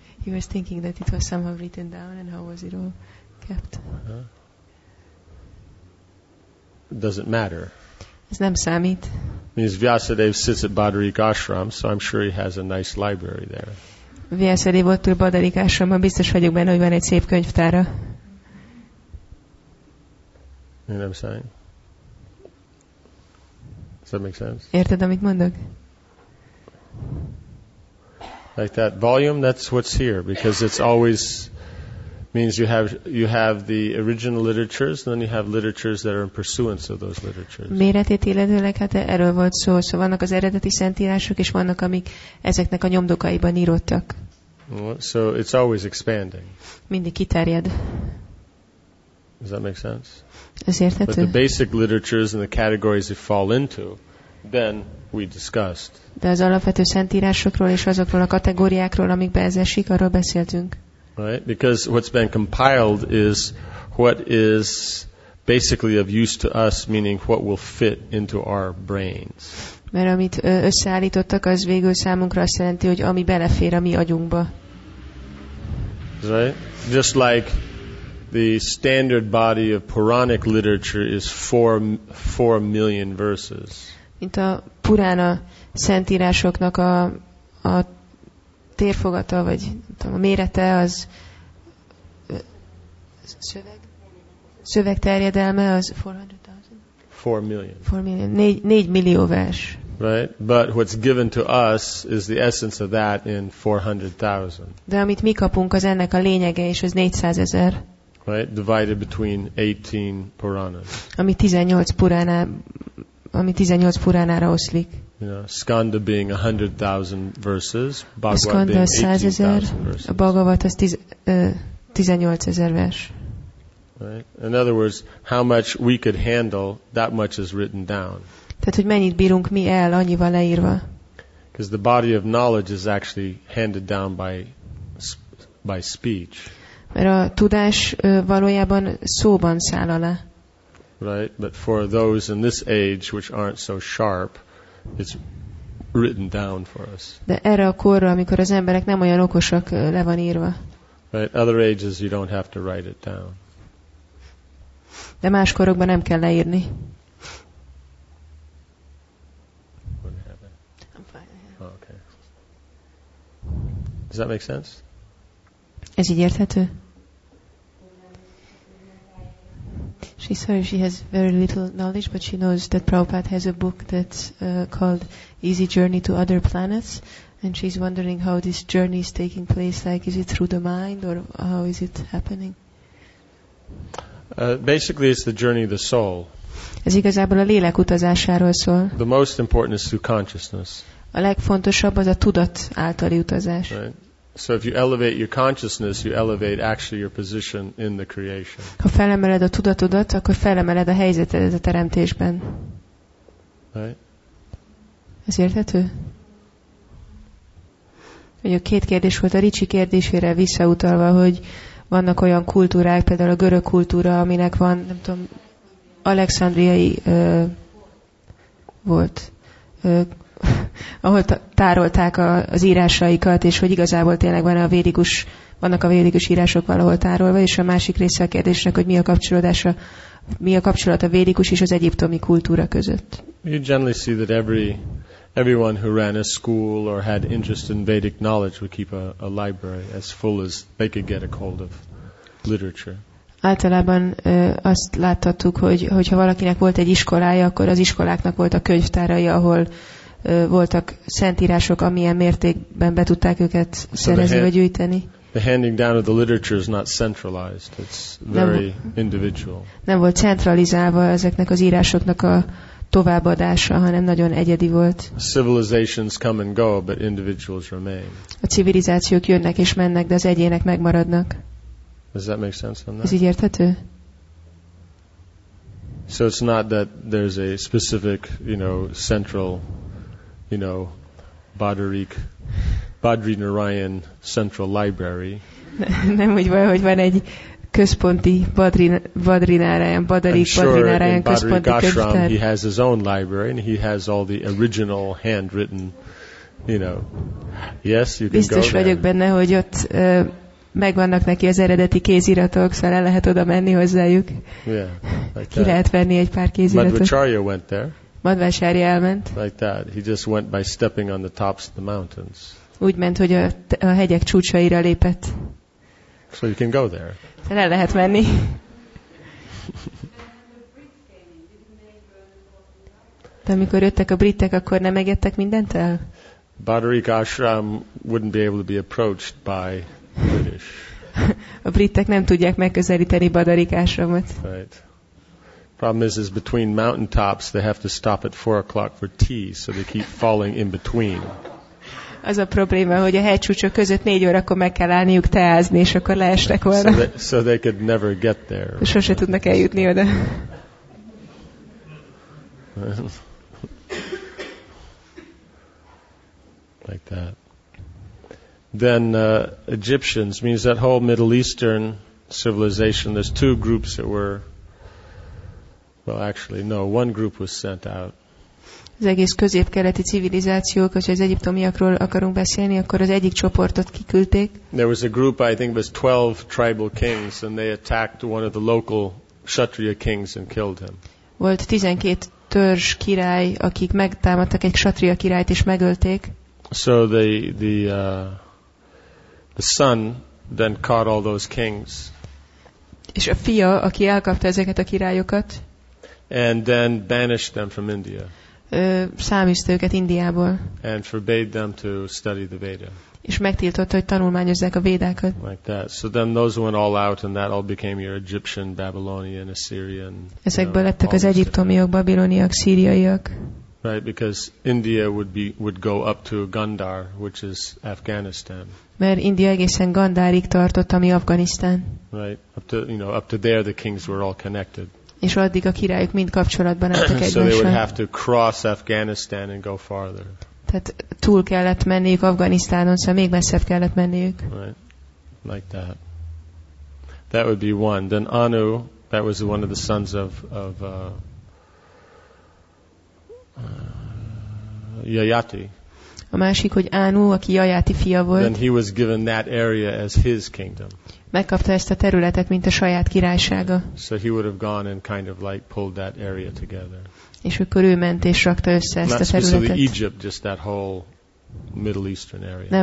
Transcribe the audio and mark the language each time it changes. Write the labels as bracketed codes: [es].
[en] He was thinking that it was somehow written down, and how was it all kept? Does it matter? [hu] Ez nem számít. [en] Means Vyasadeva sits at Badrik Ashram, so I'm sure he has a nice library there. [hu] Vyasadeva ott ül Badrik Ashramban, biztos vagyok benne, hogy van egy szép könyvtára. [en] You know what I'm saying? Does that make sense? [hu] Érted, amit mondok? [en] Like that volume, that's what's here, because it's always means you have the original literatures, and then you have literatures that are in pursuance of those literatures. [hu] Méretét illetőleg, hát erről volt szó, szóval vannak az eredeti szentírások, és vannak, amik ezeknek a nyomdokaiban írottak. [en] So it's always expanding. [hu] Mindig kiterjed. [en] Does that make sense? [hu] Ez érthető? [en] But the basic literatures and the categories you fall into, then we discussed. [hu] De az alapvető szentírásokról és azokról a kategóriákról, amikbe ez esik, arról beszéltünk. [en] Right, because what's been compiled is what is basically of use to us, meaning what will fit into our brains. [hu] Mert amit összeállítottak, az végül számunkra azt jelenti, hogy ami belefér a mi agyunkba. [en] Right, just like the standard body of Puranic literature is 4 million verses. [hu] Mint a Purána szentírásoknak a térfogata, vagy tudom, a mérete, az szövegterjedelme, az 4 million. 4 millió vers. [en] Right, but what's given to us is the essence of that in 400,000. [hu] De amit mi kapunk, az ennek a lényege, és az 400,000. [en] Right, divided between 18 Puranas. [hu] Ami 18 Purana, ami 18 Puránára oszlik. [en] You know, Skanda being 100,000 verses, Bhagavata being 18,000 verses. [hu] A Bhagavata az 18,000 vers. [en] Right. In other words, how much we could handle, that much is written down. [hu] Tehát, hogy mennyit bírunk mi el, annyival leírva. [en] Because the body of knowledge is actually handed down by speech. [hu] Mert a tudás valójában szóban száll alá. [en] Right, but for those in this age which aren't so sharp, it's written down for us. [hu] De erre a korra, amikor az emberek nem olyan okosak, le van írva. [en] Right, other ages you don't have to write it down. [hu] De más korokban nem kell leírni. [en] What happened? I'm fine. Oh, okay. Does that make sense? [hu] Ez így érthető? [en] She's sorry, she has very little knowledge, but she knows that Prabhupada has a book that's called Easy Journey to Other Planets, and she's wondering how this journey is taking place, like is it through the mind, or how is it happening? Basically, it's the journey of the soul. [hu] Ez igazából a lélek utazásáról szól. [en] The most important is through consciousness. [hu] A legfontosabb az a tudat általi utazás. [en] Right. So if you elevate your consciousness, you elevate actually your position in the creation. [hu] Ha felemeled a tudatodat, akkor felemeled a helyzetedet a teremtésben. [en] Right? [hu] Ez érthető? Vagy a két kérdés volt a Ricsi kérdésére visszautalva, hogy vannak olyan kultúrák, például a görög kultúra, aminek van, nem tudom, alexandriai volt. Ahol tárolták az írásaikat, és hogy igazából tényleg vannak a védikus írások valahol tárolva, és a másik része a kérdésnek, hogy mi a kapcsolat a védikus és az egyiptomi kultúra között. [en] You generally see that everyone who ran a school or had interest in Vedic knowledge would keep a library as full as they could get a hold of literature. [hu] Általában azt láttattuk, hogyha valakinek volt egy iskolája, akkor az iskoláknak volt a könyvtárai, ahol voltak szentírások, amilyen mértékben be tudták őket szerezni vagy gyűjteni. [en] The handing down of the literature is not centralized. It's very individual. [hu] Nem volt centralizálva ezeknek az írásoknak a továbbadása, hanem nagyon egyedi volt. [en] Civilizations come and go, but individuals remain. [hu] A civilizációk jönnek és mennek, de az egyének megmaradnak. [en] Does that make sense from that? [hu] Ez így érthető? [en] So it's not that there's a specific, you know, central, you know, Badri Narayan Central Library. [hu] Nem úgy van, hogy van egy központi Badrināráján, Badarik Badrināráján központi könyvtár. [en] I'm sure in Badrigashram he has his own library and he has all the original handwritten, you know. Yes, you can go there. [hu] Biztos vagyok benne, hogy ott megvannak neki az eredeti kéziratok, szóval el lehet oda menni hozzájuk. [en] Yeah, like [hu] ki lehet venni egy pár kéziratot. [en] Madhvacharya went there. [hu] Madhvacharya elment. [en] Like that. He just went by stepping on the tops of the mountains. [hu] Úgy ment, hogy a hegyek csúcsaira lépett. [en] So you can go there. [hu] El lehet menni. De amikor jöttek a britek, akkor nem egyettek mindent el? [en] Badarik ashram wouldn't be able to be approached by British. [hu] A britek nem tudják megközelíteni Badarik ashramot. [en] Right. Problem is between mountain tops they have to stop at 4 o'clock for tea, so they keep falling in between. [hu] Az a probléma, hogy a hegycsúcsok között 4 órakor meg kell állniuk teázni, és akkor leestek volna. [en] So they could never get there. [hu] Sose tudnak eljutni oda. [en] Like that. Then Egyptians means that whole Middle Eastern civilization. There's two groups that were, well, actually, no, one group was sent out. [hu] Az egész közép-keleti civilizációk, hogyha az egyiptomiakról akarunk beszélni, akkor az egyik csoportot kiküldték. [en] There was a group, I think it was 12 tribal kings, and they attacked one of the local Kshatriya kings and killed him. [hu] Volt 12 törzs király, akik megtámadtak egy Kshatriya királyt és megölték. [en] So the son then caught all those kings. És a fia, aki elkapta ezeket a királyokat. And then banished them from India. [hu] Számítsd őket Indiából. [en] And forbade them to study the Veda. [hu] És megtiltotta, hogy tanulmányozzák a Védákat. [en] Like that. So then those went all out, and that all became your Egyptian, Babylonian, Assyrian. [hu] Ezekből lettek az egyiptomiak, babiloniak, szíriaiak. [en] Right, because India would go up to Gandhar, which is Afghanistan. [hu] Mert India egészen Gandharig tartott, ami Afganisztán. [en] Right, up to there the kings were all connected. [hu] És addig a királyok mind kapcsolatban álltak egymással. [en] So they would have to cross Afghanistan and go farther. [hu] Tehát túl kellett menniük Afganisztánon, szóval még messzebb kellett menniük. [en] Right. Like that. That would be one. Then Anu, that was one of the sons of Yayati. [hu] A másik, hogy Anu, aki Yayati fia volt. [en] Then he was given that area as his kingdom. [hu] Megkapta ezt a területet, mint a saját királysága. [en] So he would have gone and kind of like pulled that area together. [hu] És akkor ő ment és rakta össze ezt a területet. [en] Not specifically Egypt, just that whole Middle Eastern area.